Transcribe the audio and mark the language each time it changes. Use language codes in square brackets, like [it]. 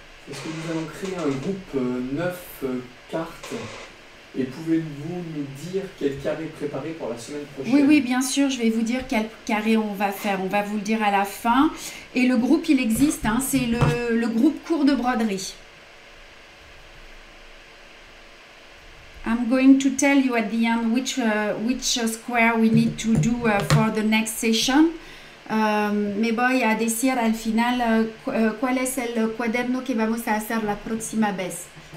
[fr] Est-ce que nous allons créer un groupe 9 cartes Et pouvez-vous nous dire quel carré préparer pour la semaine prochaine? Oui, bien sûr, je vais vous dire quel carré on va faire. On va vous le dire à la fin. Et le groupe, il existe, hein, c'est le groupe cours de broderie. [en] I'm going to tell you at the end which square we need to do for the next session. [es] Me voy a decir al final cuál es el cuaderno que vamos a hacer la próxima vez.